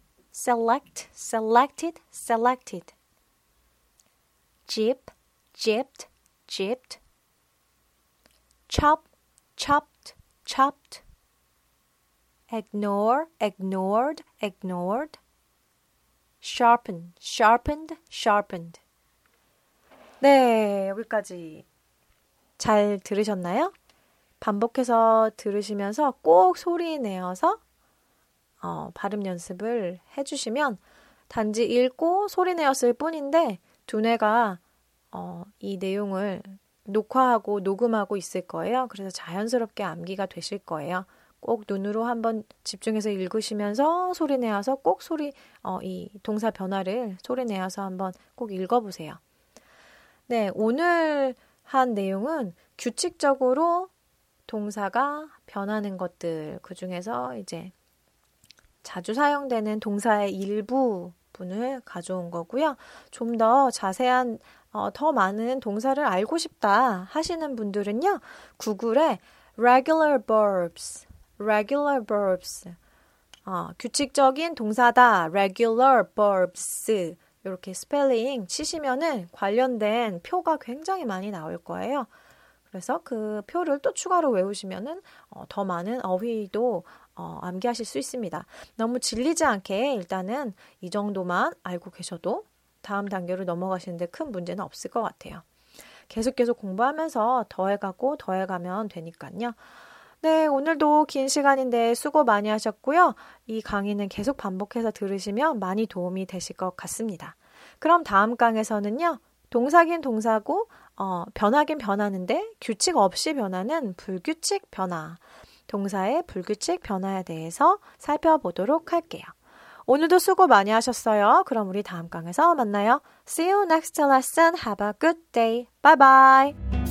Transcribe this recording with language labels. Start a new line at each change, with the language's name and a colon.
English: Select, selected, selected. Jip, jipped, jipped. Chop, chopped, chopped. Ignore, ignored, ignored. Sharpen, sharpened, sharpened.
Korean: 네, 여기까지 잘 들으셨나요? 반복해서 들으시면서 꼭 소리 내어서 발음 연습을 해주시면 단지 읽고 소리 내었을 뿐인데 두뇌가 이 내용을 녹화하고 녹음하고 있을 거예요. 그래서 자연스럽게 암기가 되실 거예요. 꼭 눈으로 한번 집중해서 읽으시면서 소리 내어서 꼭 소리 이 동사 변화를 소리 내어서 한번 꼭 읽어보세요. 네, 오늘 한 내용은 규칙적으로 동사가 변하는 것들 그 중에서 이제 자주 사용되는 동사의 일부분을 가져온 거고요. 좀 더 자세한 더 많은 동사를 알고 싶다 하시는 분들은요. 구글에 regular verbs, regular verbs 규칙적인 동사다. regular verbs 이렇게 스펠링 치시면은 관련된 표가 굉장히 많이 나올 거예요. 그래서 그 표를 또 추가로 외우시면은 더 많은 어휘도 암기하실 수 있습니다. 너무 질리지 않게 일단은 이 정도만 알고 계셔도 다음 단계로 넘어가시는데 큰 문제는 없을 것 같아요. 계속 계속 공부하면서 더해가고 더해가면 되니까요. 네, 오늘도 긴 시간인데 수고 많이 하셨고요. 이 강의는 계속 반복해서 들으시면 많이 도움이 되실 것 같습니다. 그럼 다음 강에서는요. 동사긴 동사고 변하긴 변하는데 규칙 없이 변하는 불규칙 변화, 동사의 불규칙 변화에 대해서 살펴보도록 할게요. 오늘도 수고 많이 하셨어요. 그럼 우리 다음 강에서 만나요.
English: See you next lesson. Have a good day. Bye bye.